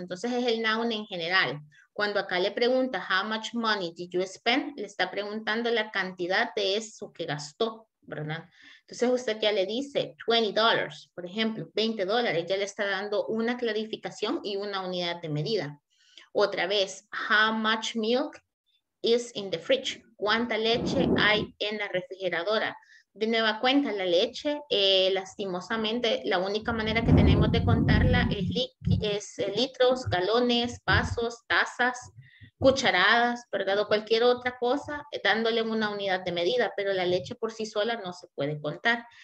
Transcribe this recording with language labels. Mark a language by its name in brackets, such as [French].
[Spanish] Entonces es el noun en general. Cuando acá le pregunta [English] how much money did you spend, [Spanish] le está preguntando la cantidad de eso que gastó, ¿verdad? Entonces usted ya le dice $20, por ejemplo, $20, ya le está dando una clarificación y una unidad de medida. Otra vez, [English] how much milk is in the fridge? [Spanish] ¿Cuánta leche hay en la refrigeradora? De nueva cuenta, la leche, lastimosamente, la única manera que tenemos de contarla es litros, galones, vasos, tazas, cucharadas, ¿verdad? O cualquier otra cosa, dándole una unidad de medida, pero la leche por sí sola no se puede contar.